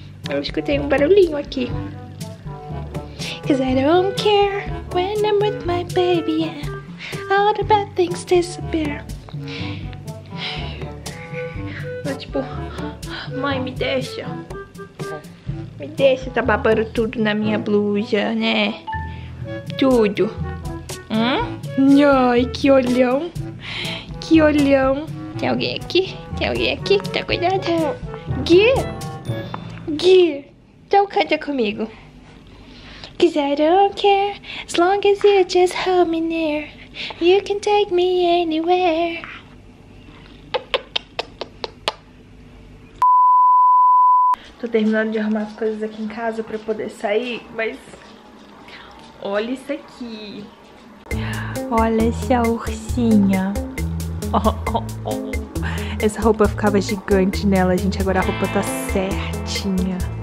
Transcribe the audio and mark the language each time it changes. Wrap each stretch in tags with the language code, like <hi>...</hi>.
<pt>Eu escutei um barulhinho aqui.</pt> <en>Cause I don't care when I'm with my baby, yeah. All the bad things disappear.</en> <pt>Ela tipo, mãe, me deixa. Me deixa, tá babando tudo na minha blusa, né? Tudo. Ai, que olhão. Que olhão. Tem alguém aqui? Tem alguém aqui que tá cuidando? Gui? Gui, então canta comigo.</pt> <en>Cause I don't care, as long as you just hold me near. You can take me anywhere.</en> <pt>Tô terminando de arrumar as coisas aqui em casa pra poder sair, mas... Olha isso aqui. Olha essa ursinha. Oh, oh, oh. Essa roupa ficava gigante nela, gente. Agora a roupa tá certinha.</pt>